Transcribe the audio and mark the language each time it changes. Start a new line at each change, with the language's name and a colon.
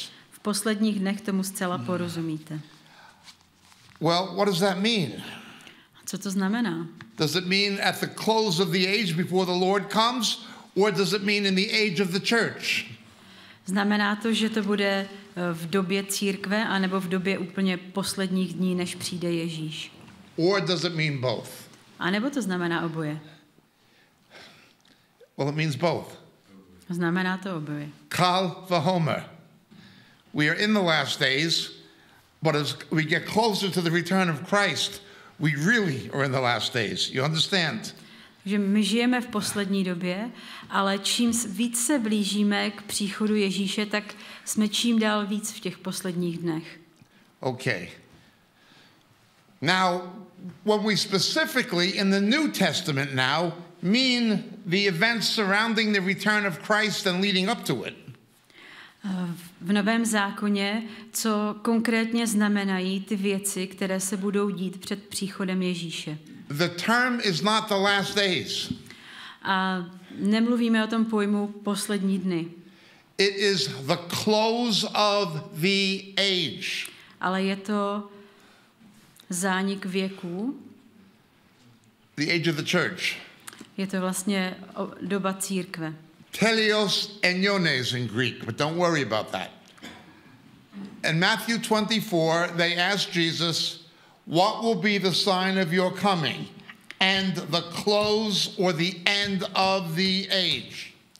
Czech: V posledních dnech tomu zcela porozumíte.
English: Well, what does that mean?
Czech: Co to znamená?
English: Does it mean at the close of the age before the Lord comes, or does it mean in the age of the church?
Czech: Znamená to, že to bude v době církve anebo v době úplně posledních dní, než přijde Ježíš.
English: Or does it mean both?
Czech: A nebo to znamená oboje?
English: Well, it means both.
Czech: Znamená to oboje.
English: Kal vahomer. We are in the last days, But as we get closer to the return of Christ, we really are in the last days. You understand?
Czech: Že my žijeme v poslední době, ale čím víc se blížíme k příchodu Ježíše, tak jsme čím dál víc v těch posledních dnech.
English: Okay. Now, when we specifically in the New Testament now mean the events surrounding the return of Christ and leading up to it.
Czech: V Novém zákoně, co konkrétně znamenají ty věci, které se budou dít před příchodem Ježíše.
English: The term is not the last days.
Czech: A nemluvíme o tom pojmu poslední dny.
English: It is the close of the age.
Czech: Ale je to zánik věků.
English: The age of the church.
Czech: Je to vlastně doba církve.
English: Telios eniones in Greek, but don't worry about that. In Matthew 24, they asked Jesus, what will be the sign of your coming and the close or the end of the age?